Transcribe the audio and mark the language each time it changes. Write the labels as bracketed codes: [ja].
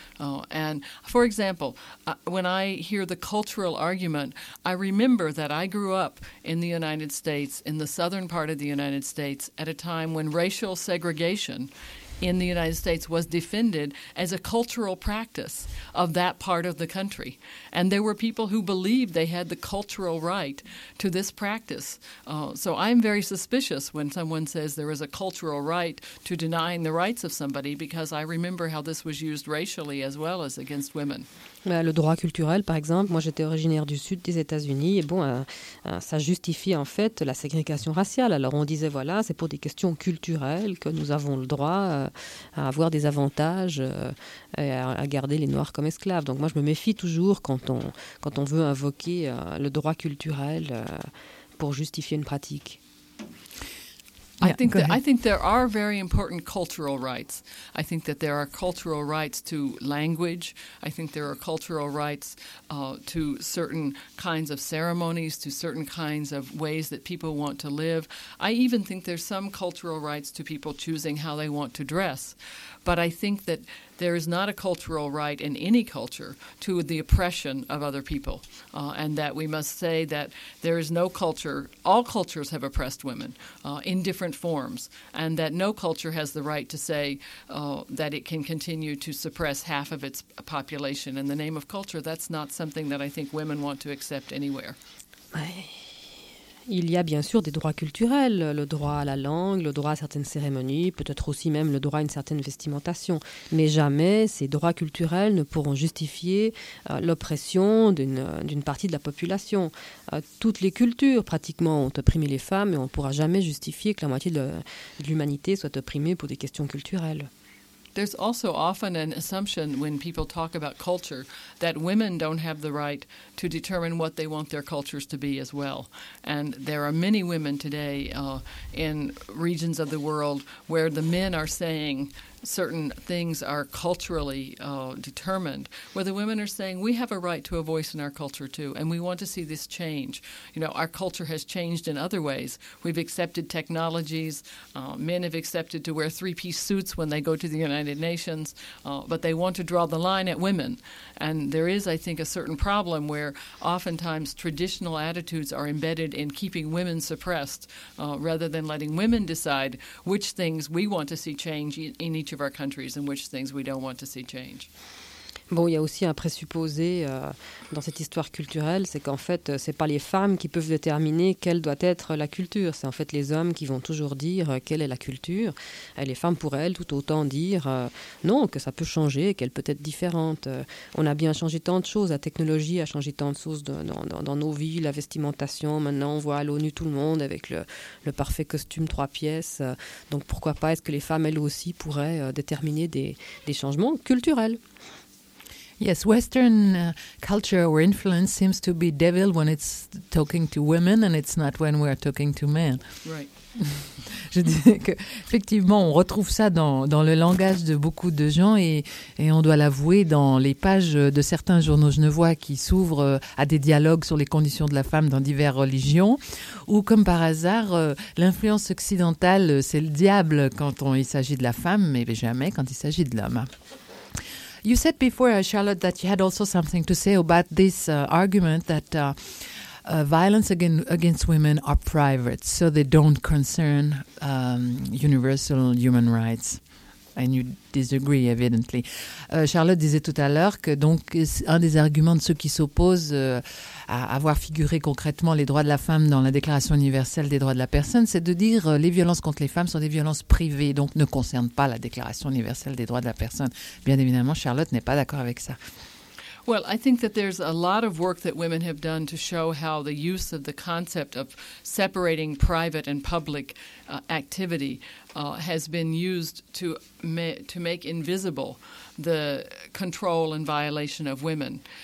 [en] And, for example, when I hear the cultural argument, I remember that I grew up in the United States, in the southern part of the United States, at a time when racial segregation in the United States was defended as a cultural practice of that part of the country. And there were people who believed they had the cultural right to this practice. So I'm very suspicious when someone says there is a cultural right to denying the rights of somebody because I remember how this was used racially as well as against women. [fr] Le droit culturel, par exemple, moi j'étais originaire du sud des États-Unis, et bon, ça justifie en fait la ségrégation raciale. Alors on disait, voilà, c'est pour des questions culturelles que nous avons le droit à avoir des avantages et à garder les Noirs comme esclaves. Donc moi je me méfie toujours quand on veut invoquer le droit culturel pour justifier une pratique. [en] Yeah, I think there are very important cultural rights. I think that there are cultural rights to language. I think there are cultural rights to certain kinds of ceremonies, to certain kinds of ways that people want to live. I even think there's some cultural rights to people choosing how they want to dress. But I think that there is not a cultural right in any culture to the oppression of other people, and that we must say that there is no culture, all cultures have oppressed women in different forms, and that no culture has the right to say that it can continue to suppress half of its population. In the name of culture, that's not something that I think women want to accept anywhere. [fr] Il y a bien sûr des droits culturels, le droit à la langue, le droit à certaines cérémonies, peut-être aussi même le droit à une certaine vestimentation. Mais jamais ces droits culturels ne pourront justifier l'oppression d'une partie de la population. Toutes les cultures pratiquement ont opprimé les femmes et on ne pourra jamais justifier que la moitié de l'humanité soit opprimée pour des questions culturelles. [en] There's also often an assumption when people talk about culture that women don't have the right to determine what they want their cultures to be as well. And there are many women today in regions of the world where the men are saying certain things are culturally determined, where the women are saying we have a right to a voice in our culture too, and we want to see this change. You know, our culture has changed in other ways. We've accepted technologies. Men have accepted to wear three-piece suits when they go to the United Nations, but they want to draw the line at women. And there is, I think, a certain problem where oftentimes traditional attitudes are embedded in keeping women suppressed rather than letting women decide which things we want to see change in each of our countries and which things we don't want to see change. [fr] Bon, il y a aussi un présupposé dans cette histoire culturelle, c'est qu'en fait, ce n'est pas les femmes qui peuvent déterminer quelle doit être la culture. C'est en fait les hommes qui vont toujours dire quelle est la culture. Et les femmes pourraient, elles, tout autant dire non, que ça peut changer, qu'elle peut être différente. On a bien changé tant de choses, la technologie a changé tant de choses dans nos vies, la vestimentation. Maintenant, on voit à l'ONU tout le monde avec le parfait costume trois pièces. Donc pourquoi pas, est-ce que les femmes, elles aussi, pourraient déterminer des changements culturels? [en] Yes, Western culture or influence seems to be devil when it's talking to women and it's not when we're talking to men. Right. [fr] Je dirais qu'effectivement, on retrouve ça dans le langage de beaucoup de gens et on doit l'avouer dans les pages de certains journaux genevois qui s'ouvrent à des dialogues sur les conditions de la femme dans diverses religions, où comme par hasard, l'influence occidentale, c'est le diable quand il s'agit de la femme, mais jamais quand il s'agit de l'homme. [en] You said before, Charlotte, that you had also something to say about this argument that violence against women are private, so they don't concern universal human rights. And you disagree, evidently. [fr] Charlotte disait tout à l'heure que donc un des arguments de ceux qui s'opposent à avoir figuré concrètement les droits de la femme dans la Déclaration universelle des droits de la personne, c'est de dire les violences contre les femmes sont des violences privées, donc ne concernent pas la Déclaration universelle des droits de la personne. Bien évidemment, Charlotte n'est pas d'accord avec ça. [en] Well, I think that there's a lot of work that women have done to show how the use of the concept of separating private and public activity has been used to make invisible the control and violation of women.